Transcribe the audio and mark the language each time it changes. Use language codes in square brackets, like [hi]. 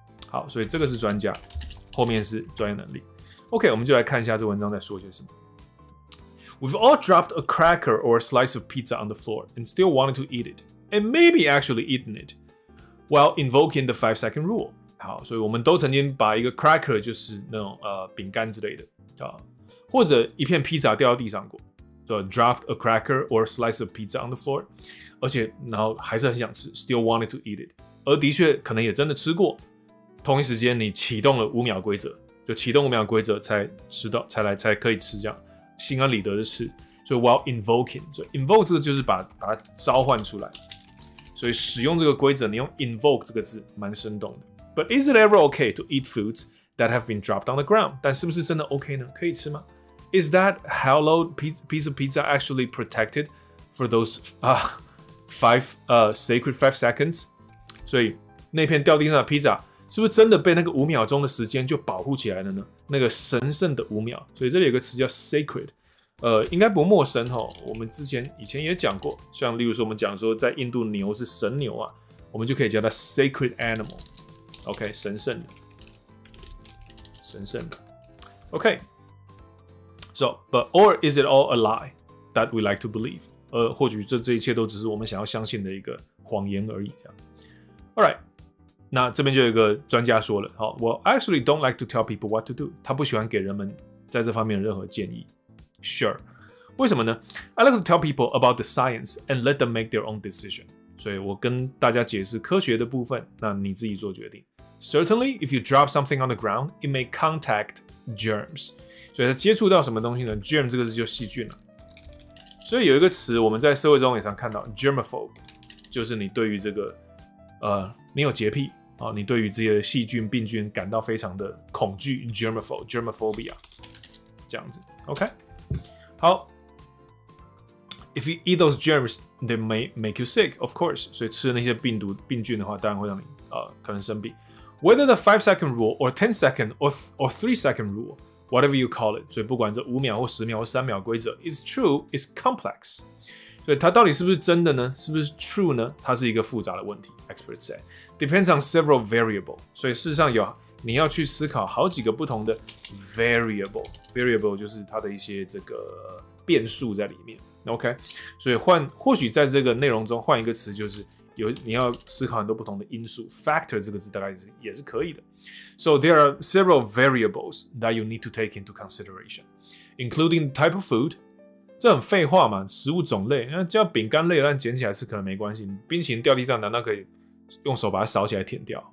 [zh] 好，所以这个是专家，后面是专业能力。OK， 我们就来看一下这文章在说些什么。 [en] We've all dropped a cracker or a slice of pizza on the floor and still wanted to eat it, and maybe actually eaten it while invoking the 5-second rule。 [zh] 好，所以我们都曾经把一个 cracker， 就是那种饼干之类的啊，或者一片 pizza 掉到地上过。 [en] So, dropped a cracker or a slice of pizza on the floor. [zh] 而且然后还是很想吃 [en] still wanted to eat it. [zh] 而的确可能也真的吃过。同一时间你启动了五秒规则。就启动五秒规则才吃到才来才可以吃这样。心安理得的吃。所以 [en] while invoking, [zh] 所以 invoke 这个就是把它召唤出来。所以使用这个规则你用 invoke 这个字蛮生动的。 [en] But is it ever okay to eat foods that have been dropped on the ground? [zh] 但是不是真的 OK 呢？可以吃吗？ [en] Is that hallowed piece of pizza actually protected for those sacred 5 seconds? [zh] 所以那片掉地上的披萨是不是真的被那个五秒钟的时间就保护起来了呢？那个神圣的五秒。所以这里有个词叫 sacred， 应该不陌生哈。我们之前以前也讲过，像例如说我们讲说在印度牛是神牛啊，我们就可以叫它 sacred animal。 OK， 神圣的。OK。 [en] So, but or is it all a lie that we like to believe? [zh] 或许这一切都只是我们想要相信的一个谎言而已。这样 [en] ，All right， [zh] 那这边就有一个专家说了，好 [en] ，Well, actually, don't like to tell people what to do. [zh] 他不喜欢给人们在这方面任何建议。 [en] Sure， [zh] 为什么呢 [en] ？I like to tell people about the science and let them make their own decision. [zh] 所以我跟大家解释科学的部分，那你自己做决定。 [en] Certainly, if you drop something on the ground, it may contact germs. [zh] 所以它接触到什么东西呢 ？germ 这个字就细菌了。所以有一个词我们在社会中也常看到 ，germaphobe， 就是你对于这个你有洁癖啊，你对于这些细菌病菌感到非常的恐惧 ，germaphobe，germaphobia， 这样子。 OK， 好。 [en] If you eat those germs, they may make you sick, of course. [zh] 所以吃那些病毒病菌的话，当然会让你可能生病。 [en] Whether the 5-second rule or 10-second or 3-second rule。 Whatever you call it， [zh] 所以不管这五秒或十秒或三秒规则 ， [en] is true is complex， [zh] 所以它到底是不是真的呢？是不是 true 呢？它是一个复杂的问题。 [en] Experts say depends on several variable， [zh] 所以事实上有你要去思考好几个不同的 variable， variable 就是它的一些这个变数在里面。 OK， 所以或许在这个内容中换一个词就是。你要思考很多不同的因素 ，factor 这个字大概也是可以的。 [en] So there are several variables that you need to take into consideration, including type of food. [zh] 这很废话嘛，食物种类，那叫饼干类，但捡起来吃可能没关系。冰淇淋掉地上，难道可以用手把它扫起来舔掉？